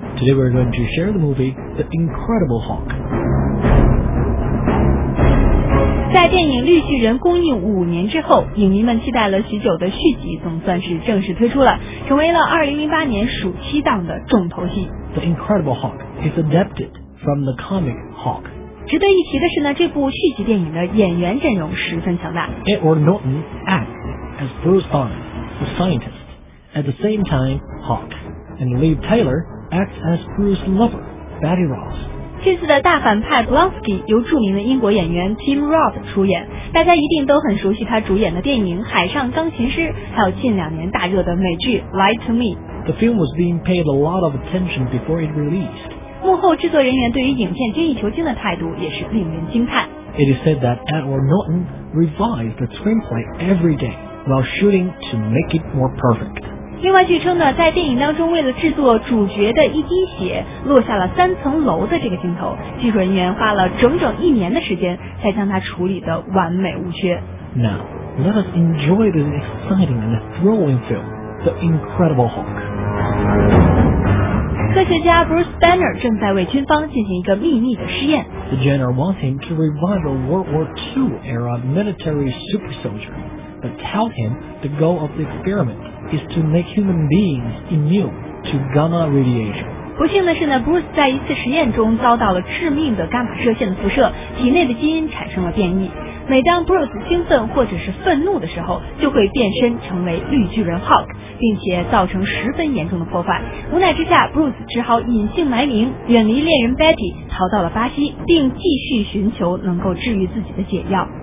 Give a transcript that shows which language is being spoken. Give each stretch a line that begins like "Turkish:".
English: Today we're going to share the movie The Incredible Hulk.
Chinese: 在电影《绿巨人》公映五年之后，影迷们期待了许久的续集总算是正式推出了，成为了2008年暑期档的重头戏。
English: The Incredible Hulk is adapted from the comic Hulk.
Chinese: 值得一提的是呢，这部续集电影的演员阵容十分强大。
English: Edward Norton acts as Bruce Banner, the scientist, at the same time Hulk, and Liv Tyler acts as Bruce's lover, Betty Ross.
Chinese: 这次的大反派 Blonsky 由著名的英国演员 Tim Roth 出演，大家一定都很熟悉他主演的电影《海上钢琴师》，还有近两年大热的美剧《Lie to Me》。
English: The film was being paid a lot of attention before it released.
Chinese: 幕后制作人员对于影片精益求精的态度也是令人惊叹。
English: It is said that Edward Norton revised the screenplay every day while shooting to make it more perfect.
Chinese: 另外据称呢，在电影当中为了制作主角的一滴血落下了三层楼的这个镜头，技术人员花了整整一年的时间才将它处理得完美无缺。
English: Now, let us enjoy this exciting and thrilling film, The Incredible Hulk.
Chinese: 科学家 Bruce Banner 正在为军方进行一个秘密的试验。
English: The general wants him to revive a World War II era military super soldier, but tell him the goal of the experiment is to make human beings immune to gamma radiation.
Chinese: 不幸的是呢， Bruce 在一次实验中遭到了致命的伽马射线的辐射，体内的基因产生了变异。每当 Bruce 兴奋或者是愤怒的时候，就会变身成为绿巨人 Hulk，并且造成十分严重的破坏。无奈之下， Bruce 只好隐姓埋名，远离恋人 Betty， 逃到了巴西，并继续寻求能够治愈自己的解药。